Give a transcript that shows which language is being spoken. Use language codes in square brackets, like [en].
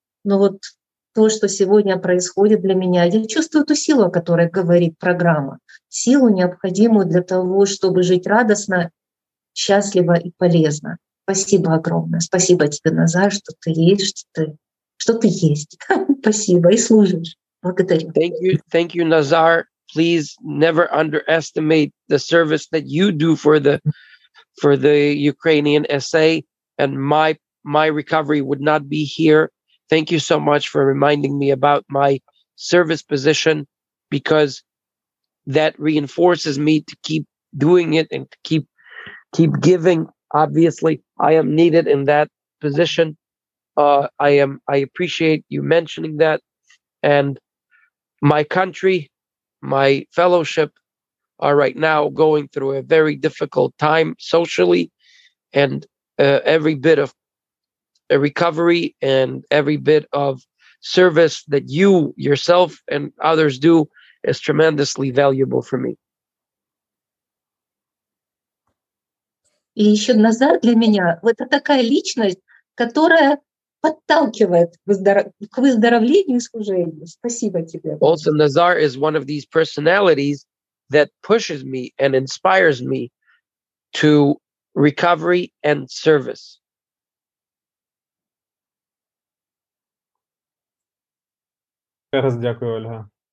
[ru] Но вот то, что сегодня происходит для меня, я чувствую ту силу, о которой говорит программа. Силу, необходимую для того, чтобы жить радостно, счастливо и полезно. Спасибо огромное. Спасибо тебе, Назар, что ты есть, что ты есть. Спасибо. И служишь. Благодарю. [en] Thank you, Nazar. Please never underestimate the service that you do for the Ukrainian SA. And my recovery would not be here. Thank you so much for reminding me about my service position, because that reinforces me to keep doing it and to keep giving. Obviously, I am needed in that position. I appreciate you mentioning that. And my country, my fellowship are right now going through a very difficult time socially, and every bit of a recovery and every bit of service that you yourself and others do is tremendously valuable for me. [ru] И еще Назар для меня, вот это такая личность, которая подталкивает к выздоровлению и служению. Спасибо тебе. [en] Also, Nazar is one of these personalities that pushes me and inspires me to recovery and service. [uk] Ще раз дякую, Ольга.